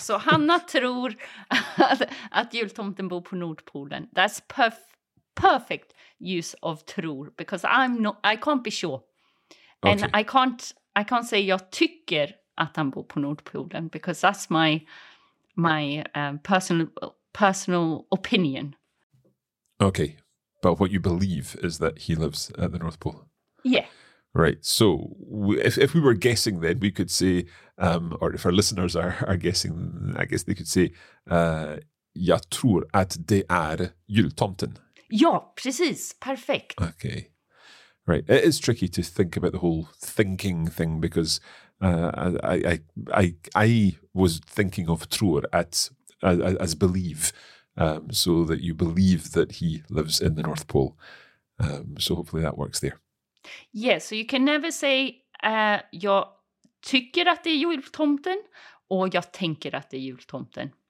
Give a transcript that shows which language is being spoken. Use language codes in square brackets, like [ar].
[sv] So Hanna tror att jultomten bor på Nordpolen. [en] That's perfect use of tror, because I can't be sure. Okay. And I can't say [sv] jag tycker att han bor på Nordpolen, [en] because that's my personal opinion. Okay, but what you believe is that he lives at the North Pole. Yeah. Right. So if we were guessing, then we could say, or if our listeners are guessing, I guess they could say, [sv] jag tror att det är jultomten. Ja, precis. Perfect. [en] Okay. Right. It is tricky to think about the whole thinking thing, because I was thinking of [sv] tror [en] as believe, so that you believe that he lives in the North Pole. So hopefully that works there. Yeah, so you can never say [sv] jag tycker att det är jultomten [en] or [sv] jag tänker att det är jultomten.